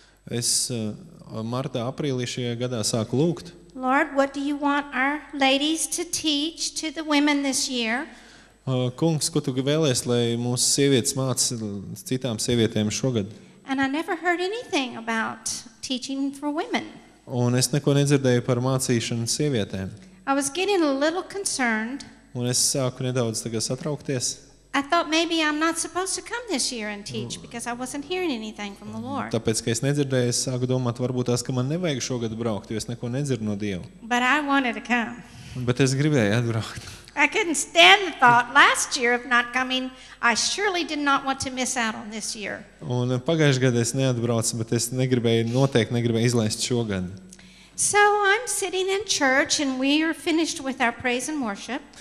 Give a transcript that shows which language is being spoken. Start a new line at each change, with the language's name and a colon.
Latvian: Es martā, aprīlī šajā gadā sāku lūgt.
English: Lord, what do you want our ladies to teach to the women this year?
Latvian: Kungs, ko tu vēlies, lai mūsu sievietes māca citām sievietēm šogad?
English: And I never heard anything about teaching for women.
Latvian: Un es neko nedzirdēju par mācīšanu sievietēm.
English: I was getting a little concerned.
Latvian: Un es sāku nedaudz tagad satraukties.
English: I thought maybe I'm not supposed to come this year and teach because I wasn't hearing anything from the Lord.
Latvian: Tāpēc, ka es nedzirdēju, es sāku domāt, varbūt tas, ka man nevajag šogad braukt, jo es neko nedzirdu no Dieva.
English: But I wanted to come.
Latvian: Bet es gribēju atbraukt.
English: I couldn't stand the thought last year of not coming. I surely did not want to miss out on this year.
Latvian: Un pagājušajā gadā es neatbraucu, bet es negribēju, noteikti negribēju izlaist šogad.
English: So I'm sitting in church and we are finished with our praise and worship.